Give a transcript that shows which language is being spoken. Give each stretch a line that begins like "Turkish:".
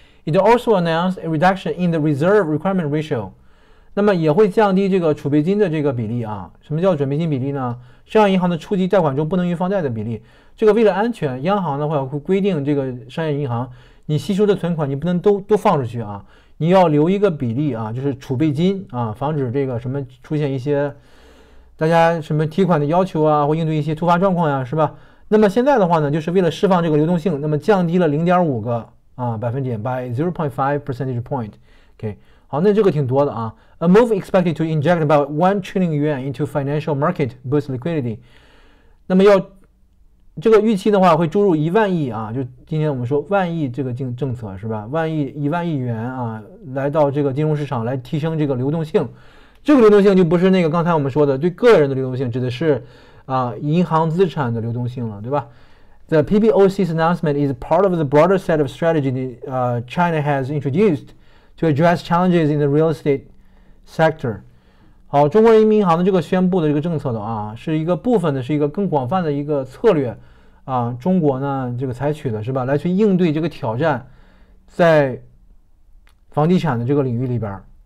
English: It also announced a reduction in the reserve requirement ratio。
Chinese: 那么也会降低这个储备金的这个比例啊。什么叫准备金比例呢？商业银行的初级贷款中不能预放贷的比例。这个为了安全，央行的话会规定这个商业银行，你吸收的存款你不能都放出去啊，你要留一个比例啊，就是储备金啊，防止这个什么出现一些大家什么提款的要求啊，或应对一些突发状况呀、啊，是吧？那么现在的话呢，就是为了释放这个流动性，那么降低了0.5个百分点
English: by 0.5 percentage point。
Chinese: OK。好，那这个挺多的啊。
English: A move expected to inject about 1 trillion yuan into financial market, boost liquidity.
Chinese: 那么要这个预期的话，会注入10,000亿啊，就今天我们说10,000亿这个政策是吧？ 10,000亿元啊，来到这个金融市场来提升这个流动性。这个流动性就不是那个刚才我们说的对个人的流动性，指的是银行资产的流动性了，对吧？
English: The PBOC's announcement is part of the broader set of strategies China has introduced. To address challenges in the real estate sector.
Chinese: 好，中国人民银行的这个宣布的这个政策的啊，是一个部分的，是一个更广泛的一个策略啊。中国呢，这个采取的是吧，来去应对这个挑战，在房地产的这个领域里边。